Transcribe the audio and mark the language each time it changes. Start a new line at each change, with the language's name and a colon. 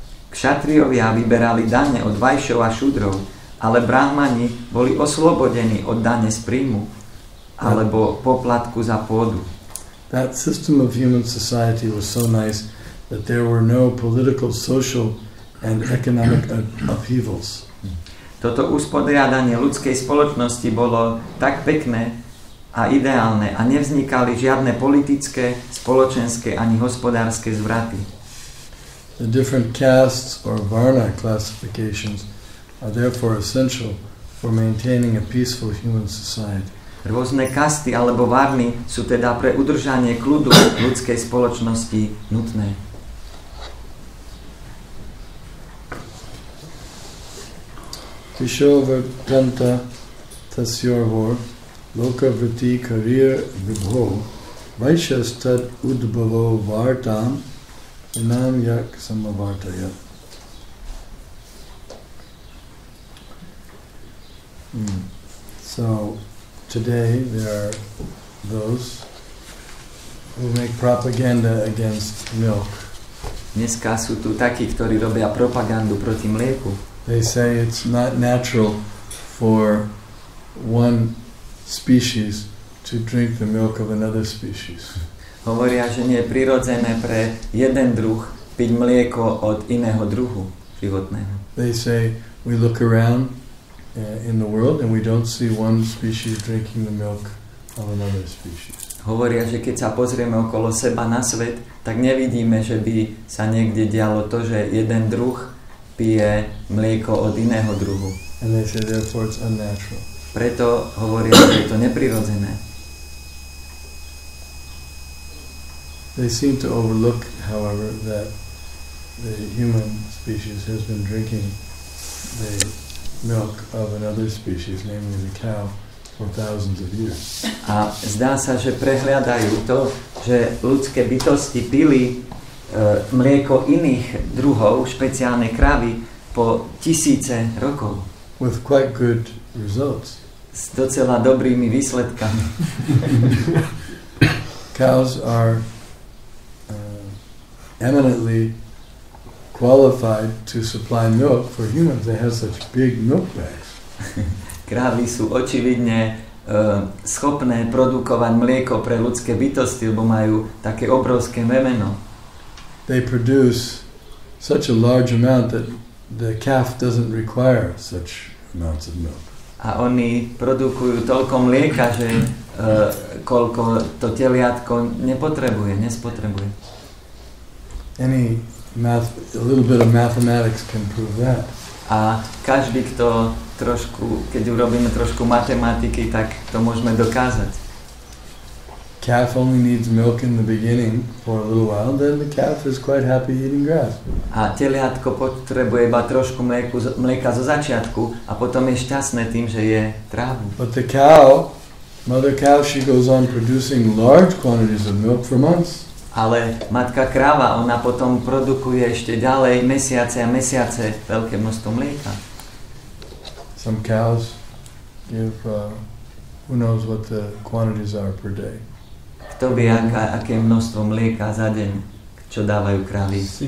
Slovak: Kshatriyovia vyberali dane od Vaishyov a Shudrov, ale Brahmani boli oslobodení od dane z príjmu alebo poplatku za pôdu.
English: That system of human society was so nice that there were no political, social and economic upheavals.
Slovak: Toto usporiadanie ľudskej spoločnosti bolo tak pekné a ideálne a nevznikali žiadne politické, spoločenské ani hospodárske zvraty.
English: The different castes or varna classifications are therefore essential for maintaining a peaceful human society.
Slovak: Rôzne kasty alebo varny sú teda pre udržanie kľudu ľudskej spoločnosti nutné.
Sanskrit: Kishovartanta tasyorvor lokavriti karir vibho vaishastad udbhavo vartam inam yak samavartaya.
English: So today there are those who make propaganda against milk.
Slovak: Dneska sú tu takí, ktorí robia propagandu proti mlieku.
English: They say it's not natural for one species to drink the milk of another species.
Slovak: Hovoria, že nie je prirodzené pre jeden druh piť mlieko od iného druhu životného.
English: They say we look around in the world and we don't see one species drinking the milk of another species.
Slovak: Hovoria, že keď sa pozrieme okolo seba na svet, tak nevidíme, že by sa niekde dialo to, že jeden druh pije mlieko od iného druhu.
English: And they say therefore it's unnatural.
Slovak: Preto hovoria, že je to neprirodzené.
English: They seem to overlook, however, that the human species has been drinking the milk of another species, namely the cow, for thousands of years.
Slovak: A zdá sa, že prehliadajú to, že ľudské bytosti pili mlieko iných druhov, špeciálne kravy, po tisíce rokov.
English: With quite good results.
Slovak: S docela dobrými výsledkami.
English: Cows are eminently qualified to supply milk for humans. They have such big milk bags.
Slovak: Krávy sú očividne schopné produkovať mlieko pre ľudské bytosti, lebo majú také obrovské memeno.
English: They produce such a large amount that the calf doesn't require such amounts of milk.
Slovak: A oni produkujú toľko mlieka, že koľko to teliatko nepotrebuje, nespotrebuje.
English: A little bit of mathematics can prove that.
Slovak: A každý, kto trošku, keď urobíme trošku matematiky, tak to môžeme dokázať.
English: Calf only needs milk in the beginning for a little while, then the calf is quite happy eating grass.
Slovak: A teliatko potrebuje iba trošku mlieka zo začiatku a potom je šťastné tým, že je trávu.
English: But the cow, mother cow, she goes on producing large quantities of milk for months.
Slovak: Ale matka kráva, ona potom produkuje ešte ďalej mesiace a mesiace veľké množstvo mlieka.
English: Some cows give who knows what the quantities are per day.
Slovak: Kto vie, aké množstvo mlieka za deň, čo dávajú krávy?